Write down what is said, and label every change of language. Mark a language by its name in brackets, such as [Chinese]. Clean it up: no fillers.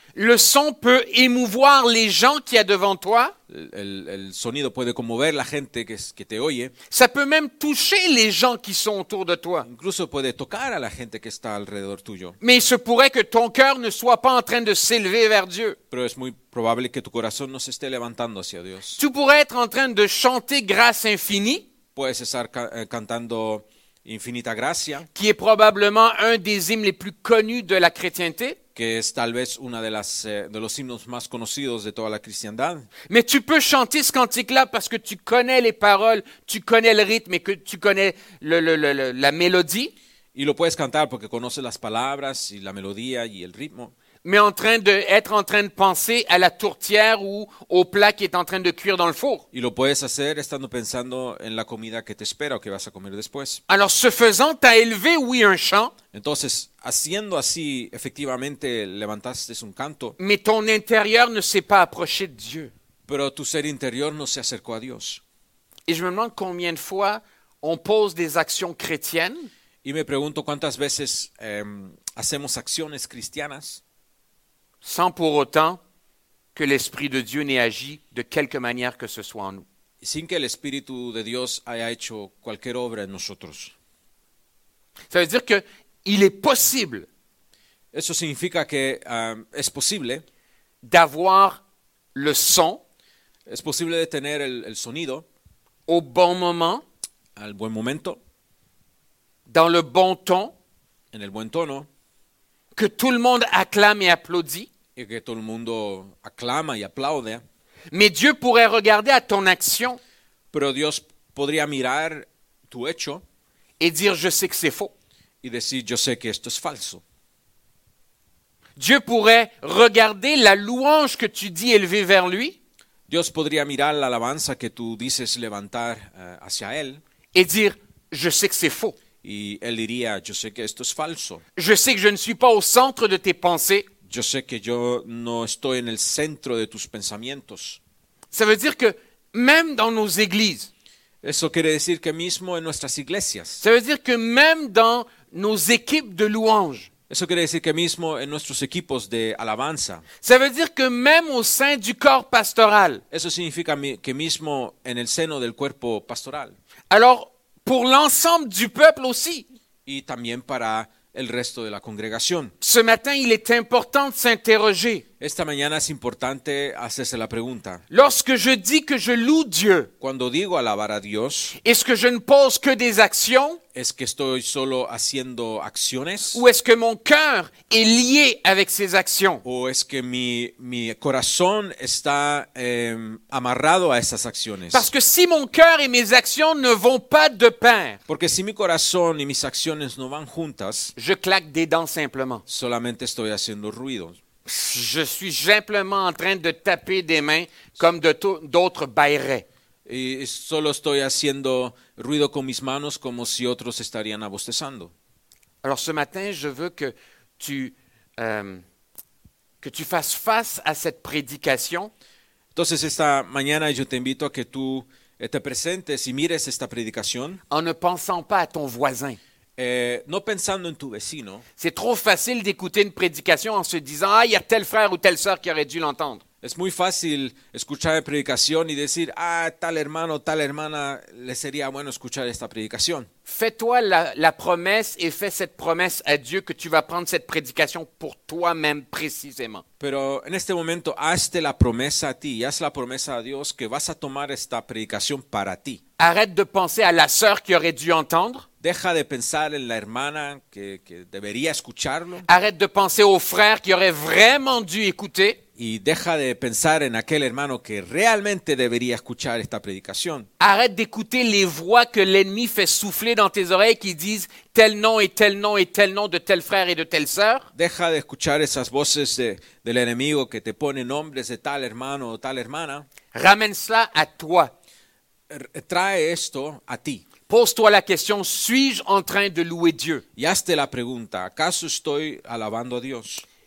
[French] Le son peut émouvoir les gens qui sont devant toi. [Spanish] El sonido puede conmover la gente que te oye. [French] Ça peut même toucher les gens qui sont autour de toi. [Spanish] Incluso puede tocar a la gente que está alrededor tuyo. [French] Mais il se pourrait que ton cœur ne soit pas en train de s'élever vers Dieu. [Spanish] Pero es muy probable que tu corazón no se esté levantando hacia Dios. [French] Tu pourrais être en train de chanter grâce infinie. [Spanish] Puedes estar cantando Infinita Gracia, [French] qui est probablement un des hymnes les plus connus de la chrétienté. [Spanish] Que es tal vez una de los himnos más conocidos de toda la cristiandad. [French] Mais tu peux chanter ce cantique-là parce que tu connais les paroles, tu connais le rythme et que tu connais la mélodie. [Spanish] Y lo puedes cantar porque conoces las palabras y la melodía y el ritmo. [French] Mais en train de être en train de penser à la tourtière ou au plat qui est en train de cuire dans le four. [Spanish] Y lo puedes hacer estando pensando en la comida que te espera o que vas a comer después. [French] Alors ce faisant, t'as élevé, oui, un chant. [Spanish] Entonces, haciendo así, efectivamente, levantaste un canto. [French] Mais ton intérieur ne s'est pas approché de Dieu. [Spanish] Pero tu ser interior no se acercó a Dios. [French] Et je me demande combien de fois on pose des actions chrétiennes. [Spanish] Y me pregunto cuántas veces hacemos acciones cristianas. [French] Sans pour autant que l'Esprit de Dieu n'ait agi de quelque manière que ce soit en nous. [Spanish] Sin que el Espíritu de Dios haya hecho cualquier obra en nosotros. [French] Ça veut dire que il est possible. [Spanish] Eso significa que es posible. [French] D'avoir le son. [Spanish] Es posible de tener el sonido. [French] Au bon moment. [Spanish] Al buen momento. [French] Dans le bon ton. [Spanish] En el buen tono. [French] Que tout le monde acclame et applaudit. [Spanish] Y que todo el mundo aclama y aplaude. [French] Mais Dieu pourrait regarder à ton action. [Spanish] Pero Dios podría mirar tu hecho. [French] Et dire, je sais que c'est faux. [Spanish] Y decir, yo sé que esto es falso. [French] Dieu pourrait regarder la louange que tu dis élever vers lui. [Spanish] Dios podría mirar la alabanza que tú dices levantar hacia él. [French] Et dire, je sais que c'est faux. [Spanish] Y él diría, yo sé que esto es falso. [French] Je sais que je ne suis pas au centre de tes pensées. [Spanish] Yo sé que yo no estoy en el centro de tus pensamientos. [French] Ça veut dire que même dans nos églises. [Spanish] Eso quiere decir que mismo en nuestras iglesias. [French] Ça veut dire que même dans nos équipes de louange. [Spanish] Eso quiere decir que mismo en nuestros equipos de alabanza. [French] Ça veut dire que même au sein du corps pastoral. [Spanish] Eso significa que mismo en el seno del cuerpo pastoral. [French] Alors pour l'ensemble du peuple aussi. [Spanish] Y también para el resto de la congregación. [French] Ce matin, il est important de s'interroger. [Spanish] Esta mañana es importante hacerse la pregunta. [French] Lorsque je dis que je loue Dieu, [Spanish] cuando digo alabar a Dios, [French] est-ce que je ne pose que des actions? [Spanish] ¿Es que estoy solo haciendo acciones? [French] Ou est-ce que mon cœur est lié avec ces actions? [Spanish] ¿O es que mi corazón está amarrado a esas acciones? [French] Parce que si mon cœur et mes actions ne vont pas de pair, [Spanish] porque si mi corazón y mis acciones no van juntas, [French] je claque des dents simplement. [Spanish] Solamente estoy haciendo ruido. [French] Je suis simplement en train de taper des mains comme d'autres bailleraient. [Spanish] Y solo estoy haciendo ruido con mis manos como si otros estarían abostezando. [French] Alors ce matin, je veux que tu fasses face à cette prédication. [Spanish] Entonces esta mañana yo te invito a que tú te presentes y mires esta predicación. [French] En ne pensant pas à ton voisin. [Spanish] No pensando en tu vecino. [French] C'est trop facile d'écouter une prédication en se disant « Ah, il y a tel frère ou telle sœur qui aurait dû l'entendre. » [Spanish] Es muy fácil escuchar la predicación y decir, ah, tal hermano, tal hermana, le sería bueno escuchar esta predicación. [French] Fais-toi la promesse et fais cette promesse à Dieu que tu vas prendre cette prédication pour toi-même précisément. [Spanish] Pero en este momento, hazte la promesa a ti y haz la promesa a Dios que vas a tomar esta predicación para ti. [French] Arrête de penser à la sœur qui aurait dû entendre. [Spanish] Deja de pensar en la hermana que debería escucharlo. [French] Arrête de penser au frère qui aurait vraiment dû écouter. [Spanish] Y deja de pensar en aquel hermano que realmente debería escuchar esta predicación. [French] Arrête d'écouter les voix que l'ennemi fait souffler dans tes oreilles qui disent tel nom et tel nom et tel nom de tel frère et de telle sœur. [Spanish] Deja de escuchar esas voces del enemigo que te pone nombres de tal hermano o tal hermana. [French] Ramène cela à toi. [Spanish] Trae esto a ti. [French] Pose-toi la question, suis-je en train de louer Dieu? [Spanish] Y hazte la pregunta, ¿acaso estoy alabando a Dios?